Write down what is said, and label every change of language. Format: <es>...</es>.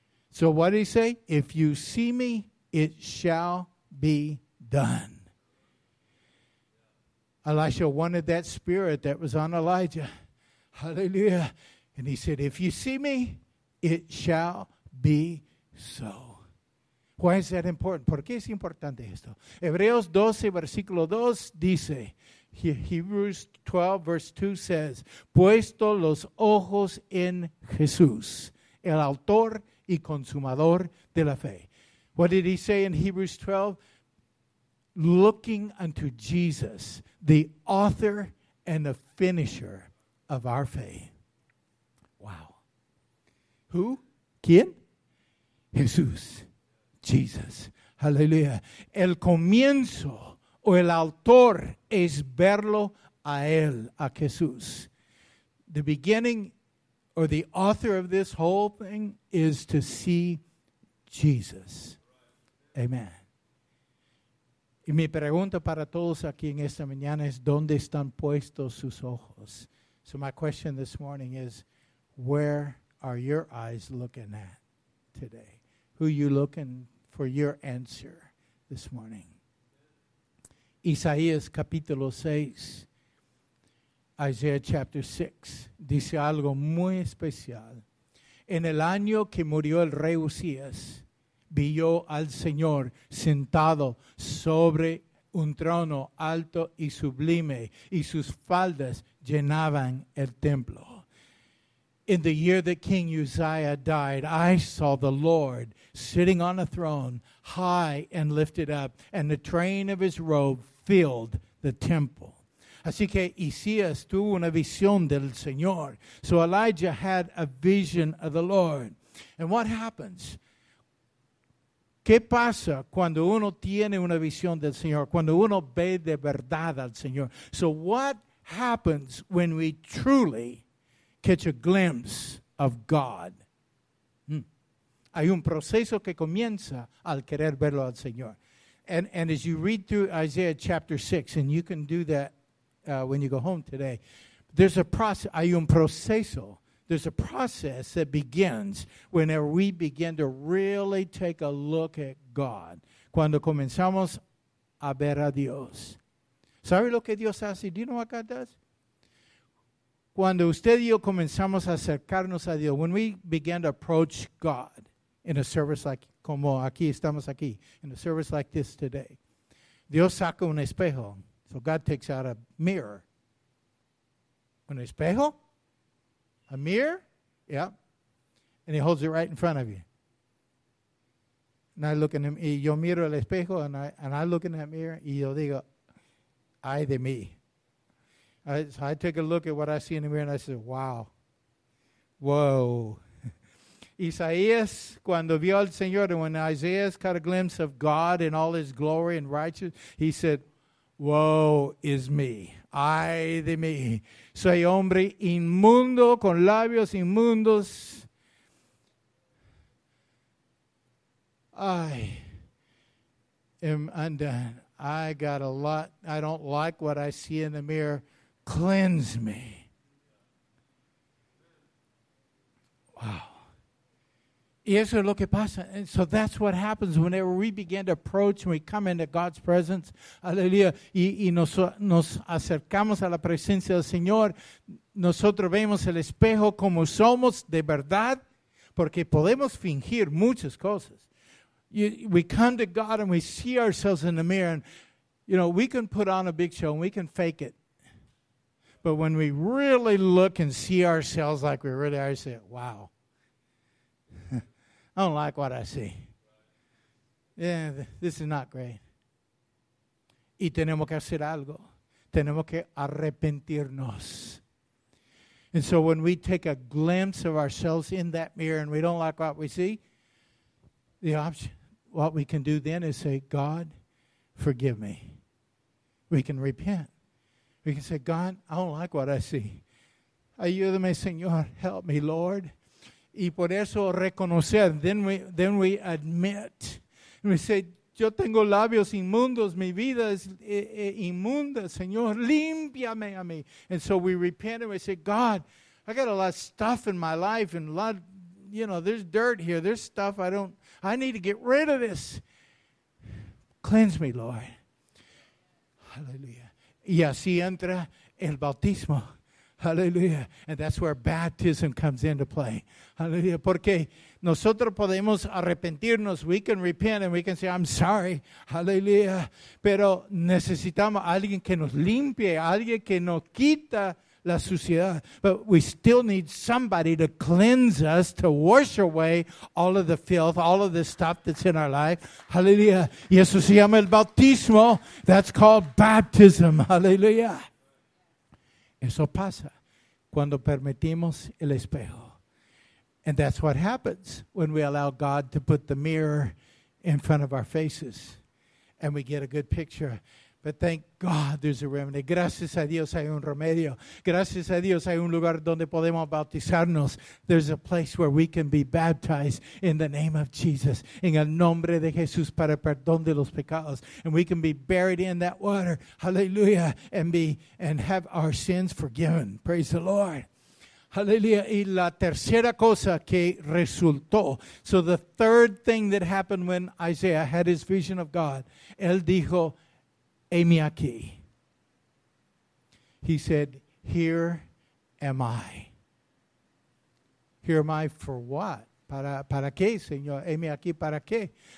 <en>So what did he say? If you see me, it shall be done. Elisha wanted that spirit that was on Elijah. Hallelujah. And he said, if you see me, it shall be so. Why is that important?</en> <es>¿Por qué es importante esto? Hebreos 12, versículo 2 dice,</es> <en>Hebrews 12, verse 2 says,</en> <es>puesto los ojos en Jesús, el autor y consumador de la fe.</es> <en>What did he say in Hebrews 12? Looking unto Jesus, the author and the finisher of our faith. Wow. Who?</en> <es>¿Quién?</es> <en>Jesús. Jesus. Hallelujah.</en> <es>El comienzo o el autor es verlo a él, a Jesús.</es> <en>The beginning or the author of this whole thing is to see Jesus. Amen.</en> <es>Y mi pregunta para todos aquí en esta mañana es, ¿dónde están puestos sus ojos?</es> <en>So my question this morning is, where are your eyes looking at today? Who are you looking for your answer this morning?</en> <es>Isaías capítulo 6,</es> <en>Isaiah chapter 6,</en> <es>dice algo muy especial. En el año que murió el rey Usías, vi yo al Señor sentado sobre un trono alto y sublime, y sus faldas llenaban el templo.</es> <en>In the year that King Uzziah died, I saw the Lord sitting on a throne, high and lifted up, and the train of his robe filled the temple.</en> <es>Así que Isaías tuvo una visión del Señor.</es> <en>So Elijah had a vision of the Lord. And what happens?</en> <es>¿Qué pasa cuando uno tiene una visión del Señor? Cuando uno ve de verdad al Señor.</es> <en>So what happens when we truly catch a glimpse of God?</en> <es>Hay un proceso que comienza al querer verlo al Señor.</es> <en>And as you read through Isaiah chapter 6, and you can do that when you go home today, there's a process,</en> <es>hay un proceso.</es> <en>There's a process that begins whenever we begin to really take a look at God.</en> <es>Cuando comenzamos a ver a Dios. ¿Sabe lo que Dios hace?</es> <en>Do you know what God does?</en> <es>Cuando usted y yo comenzamos a acercarnos a Dios,</es> <en>when we begin to approach God in a service like,</en> <es>como aquí estamos aquí,</es> <en>in a service like this today,</en> <es>Dios saca un espejo.</es> <en>So God takes out a mirror.</en> <es>¿Un espejo?</es> <en>A mirror, yeah, and he holds it right in front of you. And I look in him,</en> <es>y yo miro el espejo,</es> <en>and I look in that mirror,</en> <es>y yo digo, ay de mí.</es> <en>So I take a look at what I see in the mirror, and I say, wow, whoa.</en> <es>Isaías, cuando vio al Señor,</es> <en>and when Isaías caught a glimpse of God in all his glory and righteousness, he said, woe is me.</en> <es>Ay de mí, soy hombre inmundo, con labios inmundos.</es> <en>I am undone. I got a lot. I don't like what I see in the mirror. Cleanse me. Wow.</en> <es>Y eso es lo que pasa.</es> <en>And so that's what happens whenever we begin to approach and we come into God's presence.</en> <es>Aleluya. Y nos acercamos a la presencia del Señor. Nosotros vemos el espejo como somos de verdad. Porque podemos fingir muchas cosas.</es> <en>we come to God and we see ourselves in the mirror. And, you know, we can put on a big show and we can fake it. But when we really look and see ourselves like we really are, we say, wow. I don't like what I see. Yeah, this is not great.</en> <es>Y tenemos que hacer algo. Tenemos que arrepentirnos.</es> <en>And so when we take a glimpse of ourselves in that mirror and we don't like what we see, the option, what we can do then is say, God, forgive me. We can repent. We can say, God, I don't like what I see.</en> <es>Ayúdame, Señor,</es> <en>help me, Lord.</en> <es>Y por eso reconocer,</es> <en>then we admit. And we say,</en> <es>yo tengo labios inmundos, mi vida es inmunda, Señor, límpiame a mí.</es> <en>And so we repent and we say, God, I got a lot of stuff in my life and a lot, you know, there's dirt here, there's stuff I need to get rid of this. Cleanse me, Lord. Hallelujah.</en> <es>Y así entra el bautismo.</es> <en>Hallelujah. And that's where baptism comes into play. Hallelujah.</en> <es>Porque nosotros podemos arrepentirnos.</es> <en>We can repent and we can say, I'm sorry. Hallelujah.</en> <es>Pero necesitamos alguien que nos limpie, alguien que nos quita la suciedad.</es> <en>But we still need somebody to cleanse us, to wash away all of the filth, all of the stuff that's in our life. Hallelujah.</en> <es>Y eso se llama el bautismo.</es> <en>That's called baptism. Hallelujah.</en> <es>Eso pasa cuando permitimos el espejo.</es> <en>And that's what happens when we allow God to put the mirror in front of our faces and we get a good picture. But thank God there's a remedy.</en> <es>Gracias a Dios hay un remedio. Gracias a Dios hay un lugar donde podemos bautizarnos.</es> <en>There's a place where we can be baptized in the name of Jesus.</en> <es>En el nombre de Jesús para perdón de los pecados.</es> <en>And we can be buried in that water. Hallelujah. And have our sins forgiven. Praise the Lord. Hallelujah.</en> <es>Y la tercera cosa que resultó.</es> <en>So the third thing that happened when Isaiah had his vision of God.</en> <es>Él dijo, heme aquí.</es> <en>He said, here am I. Here am I for what?</en> <es>Para qué, Señor? Heme aquí, para qué?</es>